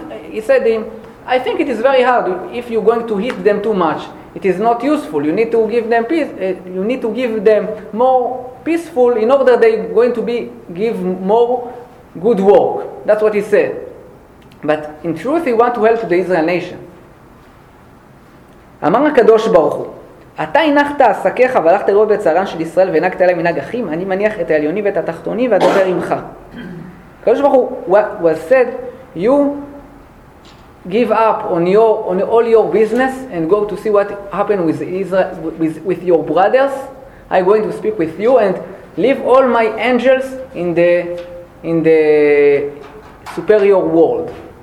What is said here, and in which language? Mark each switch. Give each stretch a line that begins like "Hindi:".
English: He said to him, I think it is very hard if you're going to hit them too much. It is not useful. You need to give them peace. You need to give them more peaceful in order they're going to be give more good work. That's what he said. But in truth, he want to help the Israel nation.
Hebrew: Amar HaKadosh Baruch Hu. אתה הנחת עסקיך והלכת לראות בצערן של ישראל והנהגת אליי מנהג אחים, אני מניח את העליוני ואת התחתוני ואדבר עמך.
English: הקדוש ברוך הוא said, you give up on all your business and go to see what happened with Israel, with your brothers. I'm going to speak with you and leave all my angels in the superior world.